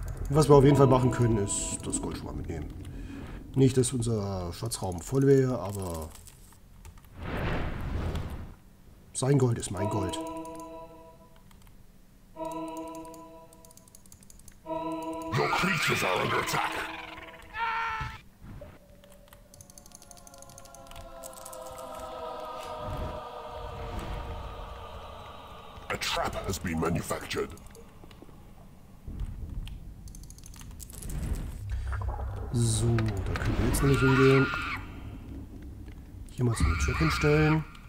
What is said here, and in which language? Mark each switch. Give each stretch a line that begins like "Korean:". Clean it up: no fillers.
German: Was wir auf jeden Fall machen können, ist das Gold schon mal mitnehmen. Nicht, dass unser Schatzraum voll wäre, aber sein Gold ist mein Gold.
English: Your creatures are under attack. A trap has been manufactured.
German: So, da können wir jetzt nämlich hingehen. Hier mal so eine Trap hinstellen.